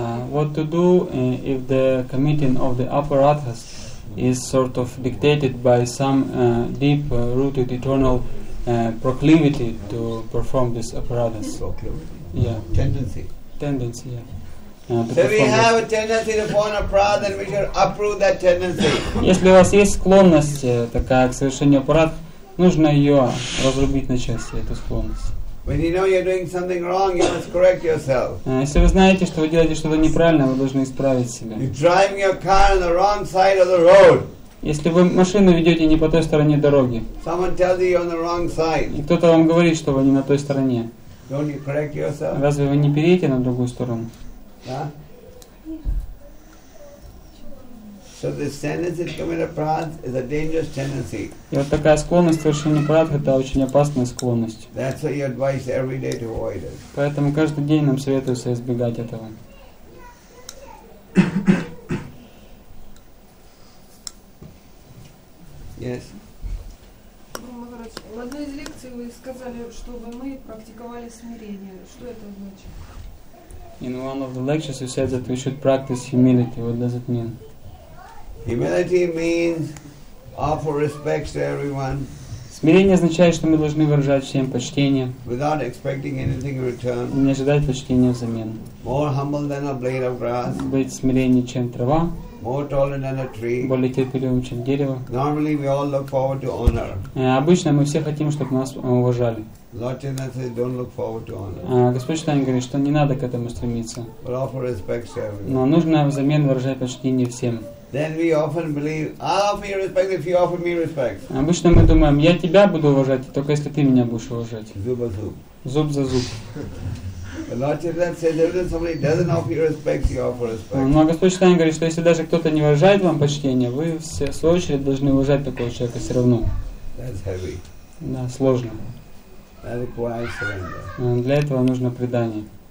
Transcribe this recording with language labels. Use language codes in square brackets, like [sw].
[en] What to do if the committing of the aparathas is sort of dictated by some deep-rooted eternal proclivity to perform this aparathas? Proclivity. Yeah. Tendency, yeah. Have a tendency to perform aparathas, and we should uproot that tendency. [ru] Если у вас есть склонность такая к совершению аппаратов, нужно ее разрубить на части, эту склонность. [en] When you know you're doing something wrong, you must correct yourself. [ru] Если вы знаете, что вы делаете что-то неправильно, вы должны исправить себя. [en] You're driving your car on the wrong side of the road. [ru] Если вы машину ведете не по той стороне дороги. [en] Someone tells you you're on the wrong side. [ru] И кто-то вам говорит, что вы не на той стороне. [en] Don't you correct yourself? [ru] Разве вы не перейдете на другую сторону? [en] So this tendency to commit a prat is a dangerous tendency. [ru] И вот такая склонность к совершению прат – это очень опасная склонность. [en] That's why you advise every day to avoid it. [ru] Поэтому каждый день нам советуется избегать этого. [en] Yes. [ru] Махарадж, в одной из лекций вы сказали, чтобы мы практиковали смирение. Что это значит? [en] In one of the lectures you said that we should practice humility. What does it mean? Humility means offer respects to everyone. [ru] Смирение означает, что мы должны выражать всем почтение. [en] Without expecting anything in return. [ru] Не ожидать почтения взамен. [en] More humble than a blade of grass. [ru] Быть смиреннее, чем трава. [en] More taller than a tree. [ru] Более терпеливым, чем дерево. [en] Normally we all look forward to honor. [ru] Обычно мы все хотим, чтобы нас уважали. [en] Lord Chaitanya says, "Don't look forward to honor." [ru] Господь Чайтанья говорит, что не надо к этому стремиться. [en] But offer respects to everyone. [ru] Но нужно взамен выражать почтение всем. [en] Then we often believe, I'll offer you respect if you offer me respect. [ru] Обычно мы думаем, я тебя буду уважать, только если ты меня будешь уважать. Зуб за зуб. Зуб за зуб. [en] Lord Chaitanya says, if somebody doesn't offer you respect, you offer respect. [ru] Но Господь Чайтанья говорит, что если даже кто-то не выражает вам почтение, вы в свою очередь должны уважать такого человека все равно. [en] That's heavy. [ru] Да, сложно. [en] That requires surrender. [ru] Для этого нужно предание.